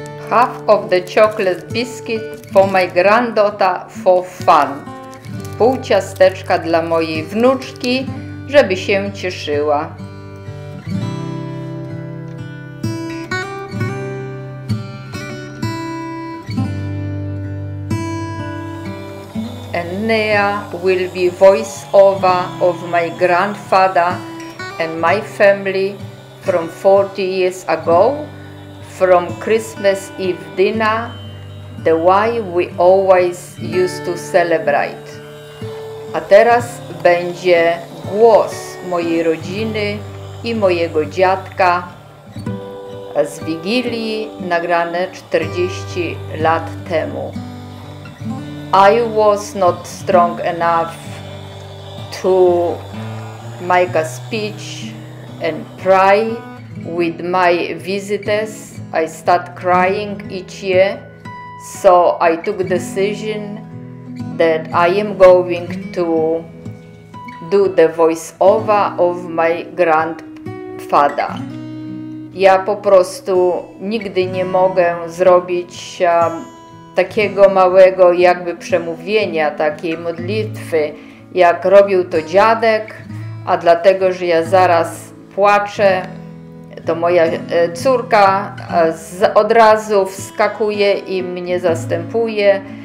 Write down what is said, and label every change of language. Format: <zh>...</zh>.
<en>Half of the chocolate biscuit for my granddaughter for fun.</en> <pl>Pół ciasteczka dla mojej wnuczki, żeby się cieszyła.</pl> <en>And Nea will be voice over of my grandfather and my family from 40 years ago. From Christmas Eve dinner, the way we always used to celebrate.</en> <pl>A teraz będzie głos mojej rodziny i mojego dziadka z Wigilii nagrane 40 lat temu.</pl> <en>I was not strong enough to make a speech and pray with my visitors. I start crying each year, so I took decision that I am going to do the voiceover of my grandfather.</en> <pl>Ja po prostu nigdy nie mogę zrobić takiego małego jakby przemówienia, takiej modlitwy, jak robił to dziadek, a dlatego, że ja zaraz płaczę, to moja córka od razu wskakuje i mnie zastępuje.</pl>